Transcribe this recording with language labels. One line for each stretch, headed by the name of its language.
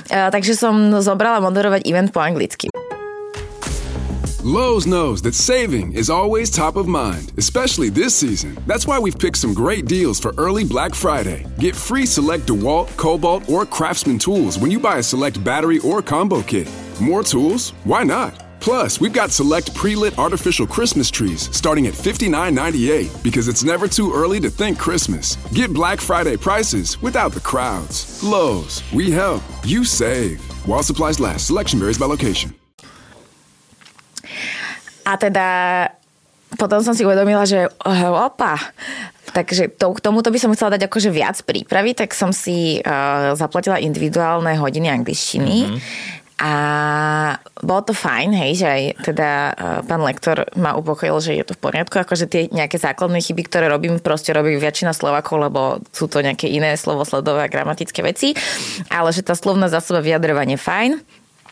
Slovak: Takže som zobrala moderovať event po anglicky.
English: Lowe's knows that saving is always top of mind, especially this season. That's why we've picked some great deals for early Black Friday. Get free select DeWalt, Kobalt, or Craftsman tools when you buy a select battery or combo kit. More tools? Why not? Plus, we've got select pre-lit artificial Christmas trees starting at $59.98 because it's never too early to think Christmas. Get Black Friday prices without the crowds. Lowe's, we help. You save. While supplies last, selection varies by location.
Slovak: A teda potom som si uvedomila, že opa, takže k tomuto by som chcela dať akože viac prípravy, tak som si zaplatila individuálne hodiny angličtiny A bolo to fajn, hej, že aj teda pán lektor ma upokojil, že je to v poriadku, akože tie nejaké základné chyby, ktoré robím, proste robí väčšina Slovákov, lebo sú to nejaké iné slovosledové a gramatické veci, ale že tá slovná zásoba vyjadrovanie fajn.